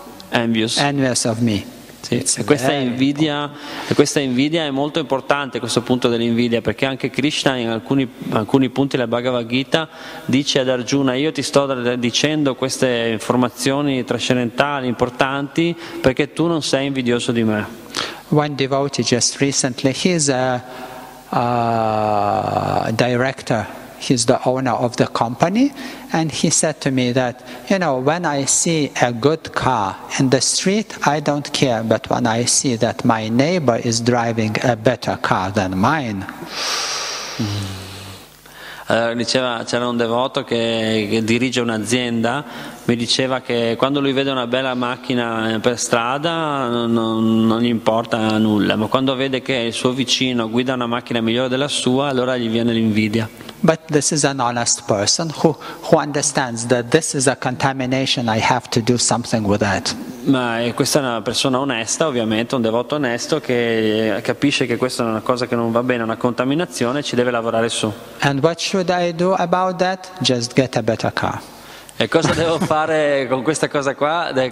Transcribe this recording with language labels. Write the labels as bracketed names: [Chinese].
[English] envious of me. [Italian] Sì, questa invidia è molto importante, questo punto dell'invidia, perché anche Krishna in alcuni punti della Bhagavad Gita dice ad Arjuna, io ti sto dicendo queste informazioni trascendentali, importanti, perché tu non sei invidioso di me. [English] One devotee just recently, he's a director, he's the owner of the company, and he said to me that, you know, when I see a good car in the street, I don't care, but when I see that my neighbor is driving a better car than mine, [Italian] diceva, c'era un devoto che dirige un'azienda, mi diceva che quando lui vede una bella macchina per strada non gli importa nulla, ma quando vede che il suo vicino guida una macchina migliore della sua, allora gli viene l'invidia. [English] But this is an honest person who understands that this is a contamination, I have to do something with that. [Italian] Ma questa è una persona onesta, ovviamente, un devoto onesto che capisce che questa è una cosa che non va bene, una contaminazione, ci deve lavorare su. [English] And what should I do about that? Just get a better car. [Italian] E cosa devo fare con questa cosa qua?